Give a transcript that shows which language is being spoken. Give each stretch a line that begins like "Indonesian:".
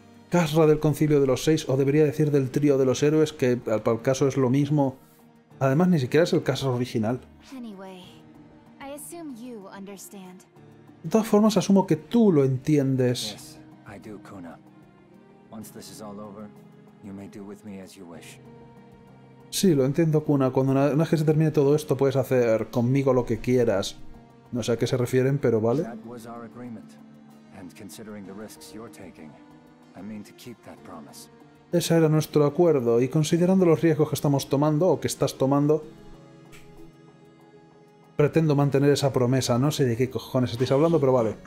Spanish: Khosra del Concilio de los Seis, o debería decir del trío de los héroes, que para el caso es lo mismo. Además, ni siquiera es el Khosra original.
English: Anyway, I assume you understand.
Spanish: De todas formas, asumo que tú lo entiendes. Sí, lo hago, Kuna.
English: Once this is all over, you may do with me as you wish.
Spanish: Sí, lo entiendo, Kuna. Cuando una vez que se termine todo esto, puedes hacer conmigo lo que quieras. No sé a qué se refieren, pero vale.
English: That was our agreement. And considering the risks you're taking, I mean to keep that promise.
Spanish: Ese era nuestro acuerdo, y considerando los riesgos que estamos tomando, o que estás tomando, pretendo mantener esa promesa. No sé de qué cojones estáis hablando, pero vale.